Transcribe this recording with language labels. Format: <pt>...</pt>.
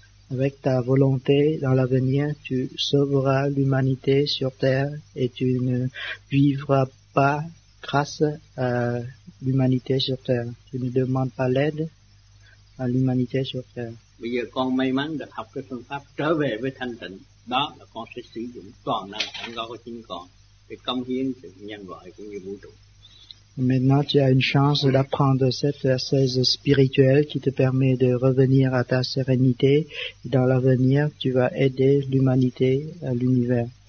<fr>Avec ta volonté, dans l'avenir, tu sauveras l'humanité sur Terre et tu ne vivras pas grâce à l'humanité sur Terre. Tu ne demandes pas l'aide à l'humanité sur Terre.</fr> <vi>Bây giờ con may mắn được học cái phương pháp trở về với thanh tịnh, đó là con sẽ sử dụng toàn năng sẵn có của chính con để công hiến sự nhân loại cũng như vũ trụ.</vi> <fr>Maintenant, tu as une chance d'apprendre cette assise spirituelle qui te permet de revenir à ta sérénité. Dans l'avenir, tu vas aider l'humanité à l'univers.</fr>